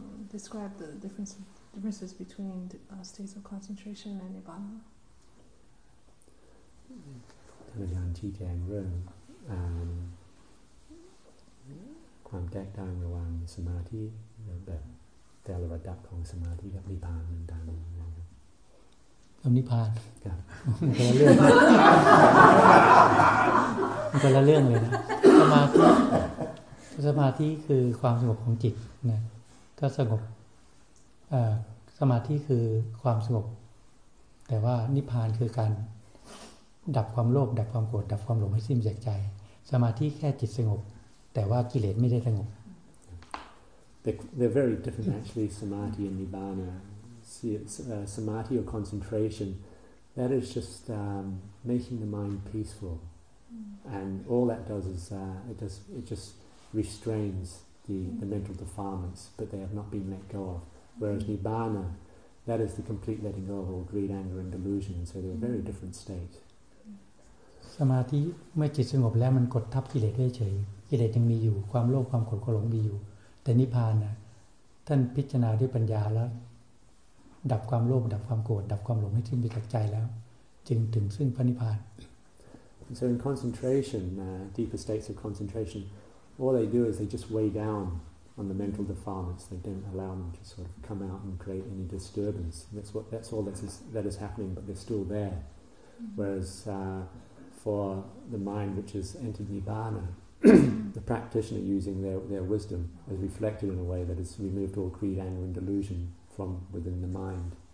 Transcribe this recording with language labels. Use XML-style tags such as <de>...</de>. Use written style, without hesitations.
<en>Describe the differences between states of concentration and nibbana.</en> <th>ท่านอาจารย์ชี้แจงเรื่องความแตกต่างระหว่างสมาธิแบบแต่ละระดับของสมาธิกับนิพพานต่างๆนะครับ กับนิพพาน กับ คนละเรื่องคนละเรื่องเลยนะสมาธิคือความสงบของจิตนะก็สงบสมาธิคือความสงบแต่ว่านิพพานคือการดับความโลภดับความโกรธดับความหลงให้สิ้นจากใจสมาธิแค่จิตสงบแต่ว่ากิเลสไม่ได้สงบ</th> <en>They're very different actually samadhi and nibbana samadhi or concentration that is just making the mind peacefulAnd all that does is it just restrains the mental defilements, but they have not been let go of. Whereas nibbana, that is the complete letting go of all greed, anger, and delusion. So they're a very different state.</en> <th>สมาธิเมื่อจิตสงบแล้วมันกดทับกิเลสได้เฉยกิเลสยังมีอยู่ความโลภความโกรธก็หลงมีอยู่แต่นิพพานน่ะท่านพิจารณาด้วยปัญญาแล้วดับความโลภดับความโกรธดับความหลงให้ทิ้งไปจากใจแล้วจึงถึงซึ่งพระนิพพาน</th> <en>And so in concentration, deeper states of concentration, all they do is they just weigh down on the mental defilements. They don't allow them to sort of come out and create any disturbance. And that's all that is happening, but they're still there. Mm-hmm. Whereas for the mind which has entered Nibbana, the practitioner using their wisdom is reflected in a way that has removed all greed, anger and delusion from within the mind.</en>